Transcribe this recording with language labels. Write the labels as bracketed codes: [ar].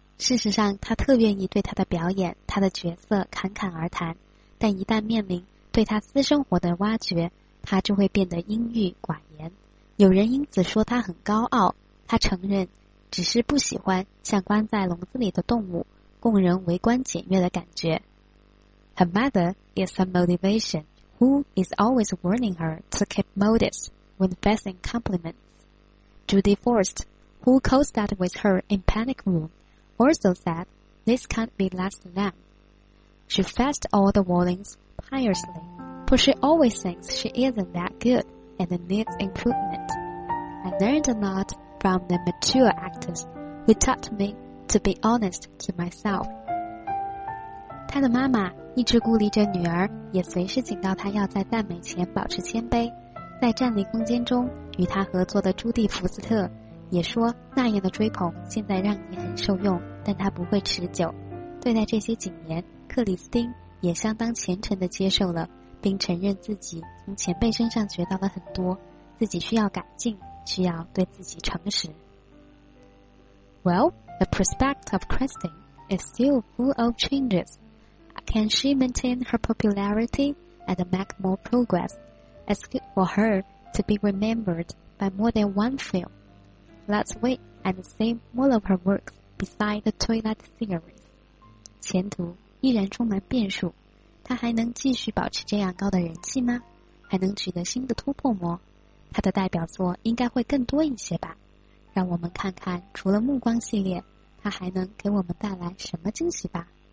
[zh] 事实上，她特愿意对她的表演、她的角色侃侃而谈，但一旦面临对他私生活的挖掘，他就会变得阴郁寡言。有人因此说他很高傲，他承认只是不喜欢像关在笼子里的动物供人围观检阅的感觉。 [en] Her mother is her motivation, who is always warning her to keep modest when facing compliments. Judy Forrest, who co-starred with her in Panic Room, also said this can't be last long. She faced all the warningsHiously, for she always thinks she isn't that good and needs improvement. I learned a lot from the mature actors who taught me to be honest to myself. [zh] 她的妈妈一直鼓励着女儿，也随时警告她要在赞美前保持谦卑。在《站立空间》中，与她合作的朱蒂·福斯特也说，那样的追捧现在让你很受用，但它不会持久。对待这些谨言，克里斯汀也相当虔诚地接受了，并承认自己从前辈身上学到了很多，自己需要改进，需要对自己诚实。 [en] Well, the prospect of Kristen is still full of changes. Can she maintain her popularity and make more progress? It's good for her to be remembered by more than one film. Let's wait and see more of her works beside the Twilight series. [zh] 前途依然充满变数，她还能继续保持这样高的人气吗？还能取得新的突破吗？她的代表作应该会更多一些吧。让我们看看除了《暮光》系列，她还能给我们带来什么惊喜吧。